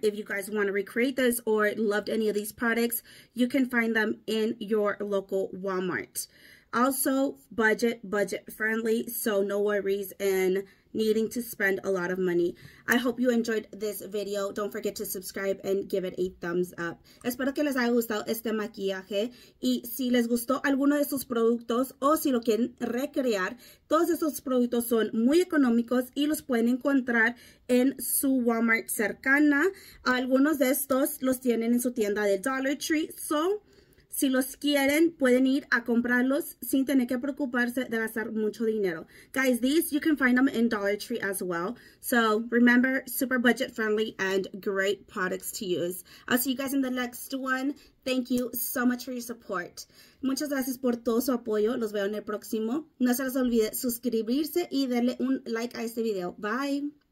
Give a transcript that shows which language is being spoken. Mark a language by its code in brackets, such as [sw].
[en] If you guys want to recreate this or loved any of these products, you can find them in your local Walmart. Also, budget friendly, so no worries in needing to spend a lot of money. I hope you enjoyed this video. Don't forget to subscribe and give it a thumbs up. [es] Espero que les haya gustado este maquillaje. Y si les gustó alguno de estos productos o si lo quieren recrear, todos estos productos son muy económicos y los pueden encontrar en su Walmart cercana. Algunos de estos los tienen en su tienda de Dollar Tree. So Si los quieren, pueden ir a comprarlos sin tener que preocuparse de gastar mucho dinero. [en] Guys, these, you can find them in Dollar Tree as well. So, remember, super budget friendly and great products to use. I'll see you guys in the next one. Thank you so much for your support. [es] Muchas gracias por todo su apoyo. Los veo en el próximo. No se les olvide suscribirse y darle un like a este video. Bye.